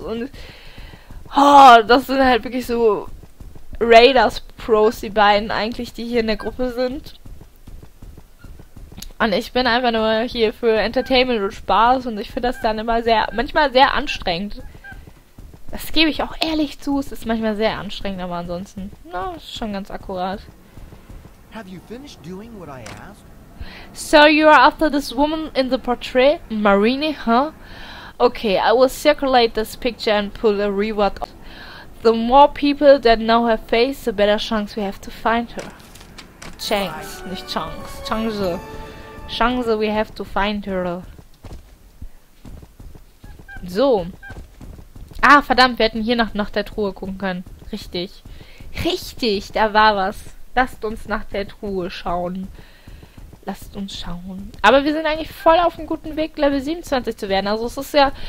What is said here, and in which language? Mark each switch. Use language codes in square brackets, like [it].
[de] Und oh, das sind halt wirklich so Raiders-Pros, die beiden eigentlich, die hier in der Gruppe sind. Und ich bin einfach nur hier für Entertainment und Spaß und ich finde das dann immer sehr, manchmal sehr anstrengend. Das gebe ich auch ehrlich zu, es ist manchmal sehr anstrengend, aber ansonsten, na, no, schon ganz akkurat. [en] Have you finished doing what I asked? So, you are after this woman in the portrait, Marini, huh? Okay, I will circulate this picture and pull a reward off. The more people that know her face, the better chance we have to find her. Chance, nicht Chance. Chance. Chance, we have to find her. So. [de] Ah, verdammt, wir hätten hier nach der Truhe gucken können. Richtig. Richtig, da war was. Lasst uns nach der Truhe schauen. Lasst uns schauen. Aber wir sind eigentlich voll auf einem guten Weg, Level 27 zu werden. Also es ist ja.